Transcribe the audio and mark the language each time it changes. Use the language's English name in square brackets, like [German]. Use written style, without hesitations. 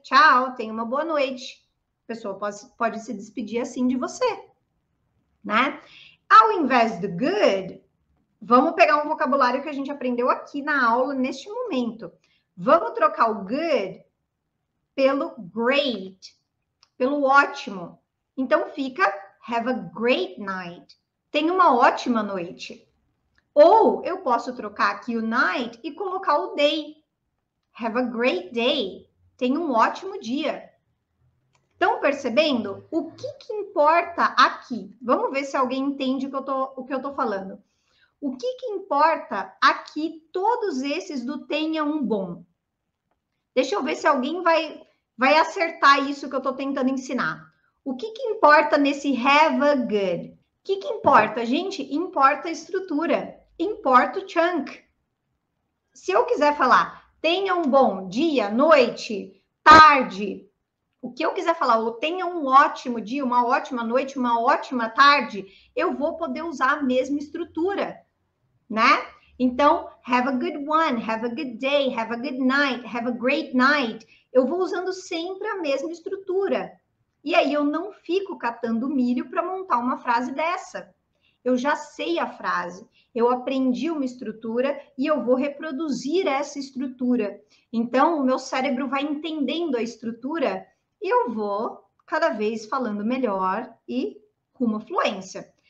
[Portuguese] Tchau, tenha uma boa noite. A pessoa pode se despedir assim de você, né? Ao invés do good, vamos pegar um vocabulário que a gente aprendeu aqui na aula, neste momento. Vamos trocar o good pelo great, pelo ótimo. [English] Então fica have a great night. [Portuguese] Tenha uma ótima noite. Ou eu posso trocar aqui o night e colocar o day. [English] Have a great day. [Portuguese] Tenha um ótimo dia. Estão percebendo? O que que importa aqui? Vamos ver se alguém entende o que eu tô falando. O que que importa aqui? Todos esses do tenha um bom. Deixa eu ver se alguém vai acertar isso que eu estou tentando ensinar. O que que importa nesse have a good? Que importa, gente? Importa a estrutura. Importa o chunk. Se eu quiser falar tenha um bom dia, noite, tarde, o que eu quiser falar, ou tenha um ótimo dia, uma ótima noite, uma ótima tarde, eu vou poder usar a mesma estrutura, né? [English] Então, have a good one, have a good day, have a good night, have a great night. [Portuguese] Eu vou usando sempre a mesma estrutura. E aí eu não fico catando milho para montar uma frase dessa. Eu já sei a frase, eu aprendi uma estrutura e eu vou reproduzir essa estrutura. Então, o meu cérebro vai entendendo a estrutura e eu vou cada vez falando melhor e com uma fluência.